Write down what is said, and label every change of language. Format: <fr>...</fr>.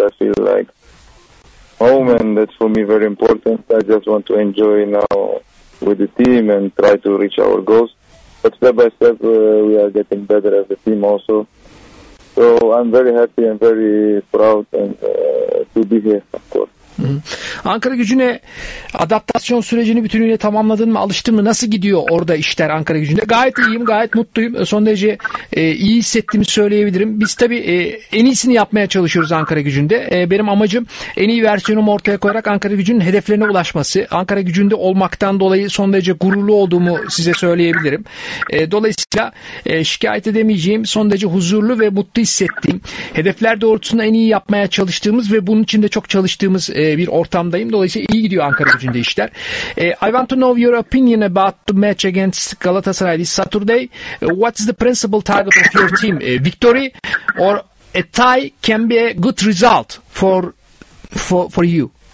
<en>I feel like home, and that's for me very important. I just want to enjoy now with the team and try to reach our goals. But step by step, we are getting better as a team also. So I'm very happy and very proud and to be here, of course.</en> <tr>Ankara Gücü'ne adaptasyon sürecini bütünüyle tamamladın mı, alıştın mı, nasıl gidiyor orada işler Ankara Gücü'nde? Gayet iyiyim, gayet mutluyum, son derece iyi hissettiğimi söyleyebilirim. Biz tabii en iyisini yapmaya çalışıyoruz Ankara Gücü'nde. Benim amacım en iyi versiyonumu ortaya koyarak Ankara Gücü'nün hedeflerine ulaşması. Ankara Gücü'nde olmaktan dolayı son derece gururlu olduğumu size söyleyebilirim. Dolayısıyla şikayet edemeyeceğim, son derece huzurlu ve mutlu hissettiğim, hedefler doğrultusunda en iyi yapmaya çalıştığımız ve bunun için de çok çalıştığımız bir ortamdayım. Dolayısıyla iyi gidiyor Ankara Gücü'nde işler.</tr> <en>I want to know your opinion about the match against Galatasaray this Saturday. What is the principal target of your team? Victory or a tie can be a good result for you?</en>